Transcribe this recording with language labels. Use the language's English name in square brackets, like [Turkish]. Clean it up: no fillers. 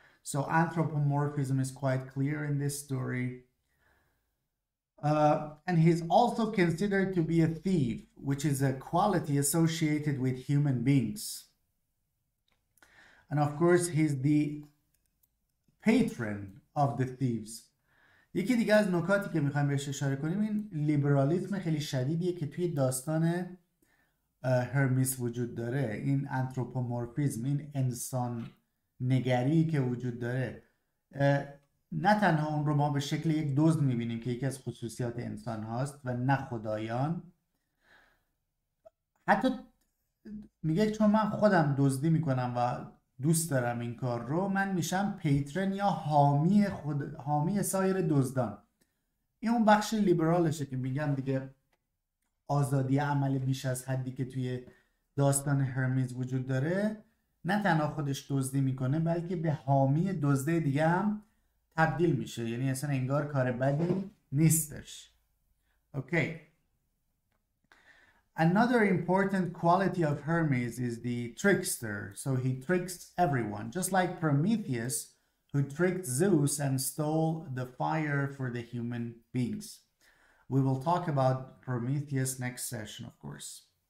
[English] So anthropomorphism is quite clear in this story. And he's also considered to be a thief, which is a quality associated with human beings. And of course, he's the patron of the thieves. [Persian] یکی دیگه از نکاتی که میخوایم بهش اشاره کنیم این لیبرالیسم خیلی شدیدیه که توی داستان هرمیس وجود داره، این انتروپومورفیزم، این انسان نگری که وجود داره. نه تنها اون رو ما به شکل یک دزد میبینیم که یکی از خصوصیات انسان هاست و نه خدایان، حتی میگه چون من خودم دزدی میکنم و دوست دارم این کار رو، من میشم پیترن یا حامی خود، حامی سایر دزدان. این اون بخش لیبرالشه که میگم دیگه آزادی عمل بیش از حدی که توی داستان هرمیز وجود داره نه تنها خودش دزدی میکنه، بلکه به حامی دزده دیگه هم تبدیل میشه. یعنی اصلا انگار کار بدی نیستش. [English] Okay. Another important quality of Hermes is the trickster. So he tricks everyone, just like Prometheus, who tricked Zeus and stole the fire for the human beings. We will talk about Prometheus next session, of course.